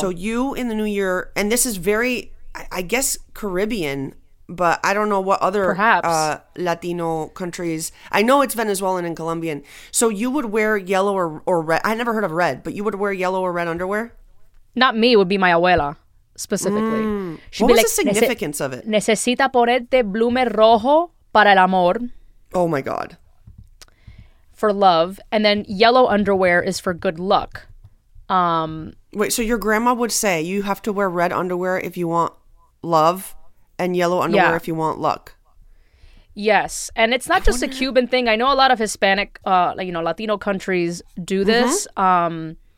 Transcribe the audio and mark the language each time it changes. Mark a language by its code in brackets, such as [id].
[en] So you in the new year, and this is very, I guess, Caribbean, but I don't know what other Latino countries. I know it's Venezuelan and Colombian. So you would wear yellow or red. I never heard of red, but you would wear yellow or red underwear? Not me. It would be my abuela, specifically. Mm. What was like, the significance of it? [es] Necesita ponerte blume rojo para el amor. [en] Oh, my God. For love. And then yellow underwear is for good luck. Wait, so your grandma would say you have to wear red underwear if you want love? And yellow underwear if you want luck. Yes. And it's not just a Cuban thing. I know a lot of Hispanic, Latino countries do this. Mm-hmm.